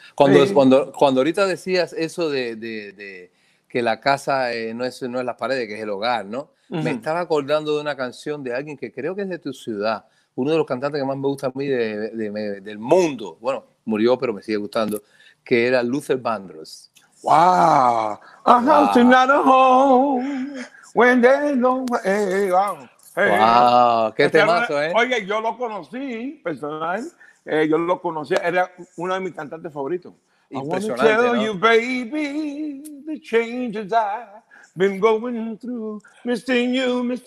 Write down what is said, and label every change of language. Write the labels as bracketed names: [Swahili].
[Spanish] Cuando ahorita decías eso de que la casa no es las paredes, que es el hogar, ¿no? Uh-huh. Me estaba acordando de una canción de alguien que creo que es de tu ciudad, uno de los cantantes que más me gusta a mí del mundo. Bueno, murió, pero me sigue gustando, que era Luther Vandross. ¡Wow! [English] A house is not a home when there's no way. [Spanish] Hey, ¡wow! ¡Qué temazo, eh! Oye, yo lo conocí personal Yo lo conocía, era uno de mis cantantes favoritos. Impresionante, [English] I wanna tell [Spanish] ¿no? [English] you, baby, the changes I've been going through, missing you.